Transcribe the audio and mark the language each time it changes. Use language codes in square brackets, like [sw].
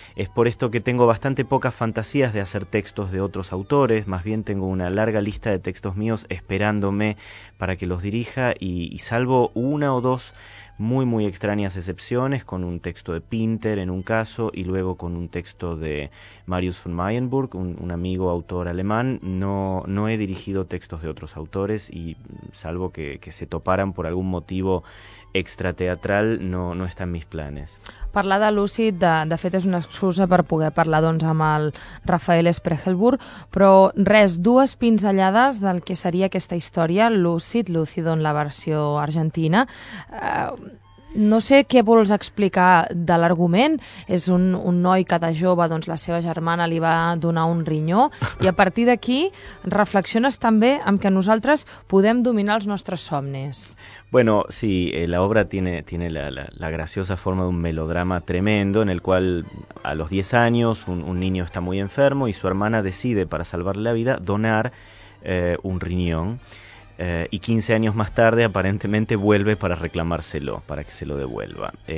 [es] Es por esto que tengo bastante pocas fantasías de hacer textos de otros autores, más bien tengo una larga lista de textos míos esperándome para que los dirija, y salvo una o dos muy, muy extrañas excepciones, con un texto de Pinter en un caso y luego con un texto de Marius von Mayenburg, un amigo autor alemán, no he dirigido textos de otros autores, y salvo que se toparan por algún motivo extrateatral no està en mis planes. [ca] Parlar de Lúcid, de fet, és una excusa per poder parlar doncs amb el Rafael Sprechelburg, però res, dues pinzellades del que seria aquesta història, Lúcid en la versió argentina. No sé què vols explicar de l'argument. És un noi que de jove, doncs, la seva germana li va donar un rinyó, i a partir d'aquí reflexiones també amb que nosaltres podem dominar els nostres somnis. [es] Bueno, sí, la obra tiene la graciosa forma de un melodrama tremendo, en el cual a los 10 años un niño está muy enfermo y su hermana decide, para salvarle la vida, donar un riñón. Y 15 años más tarde aparentemente vuelve para reclamárselo, para que se lo devuelva.